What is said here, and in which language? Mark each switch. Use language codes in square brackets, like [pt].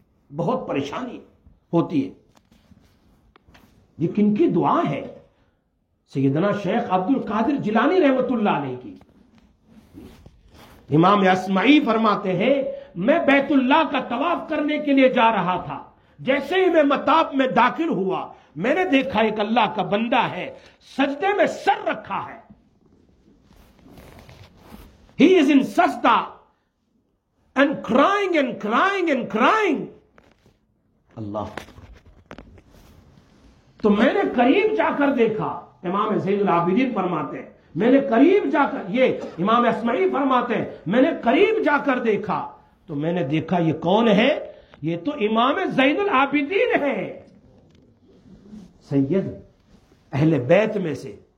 [ur] بہت پریشانی ہوتی ہے. یہ کن کی دعا ہے؟ سیدنا شیخ عبد القادر جیلانی رحمت اللہ علیہ کی. امام اسماعی فرماتے ہیں میں بیت اللہ کا طواف کرنے کے لیے جا رہا تھا، جیسے ہی میں مطاف میں داخل ہوا میں نے دیکھا ایک اللہ کا بندہ ہے سجدے میں سر رکھا ہے. [en] He is in sajda and crying and crying and crying. [ur] اللہ، تو میں نے قریب جا کر دیکھا. امام زین العابدین فرماتے ہیں میں نے قریب جا کر، یہ امام اسمعی فرماتے ہیں میں نے قریب جا کر دیکھا تو میں نے دیکھا یہ کون ہے؟ یہ تو امام زین العابدین ہے، سید اہل بیت میں سے.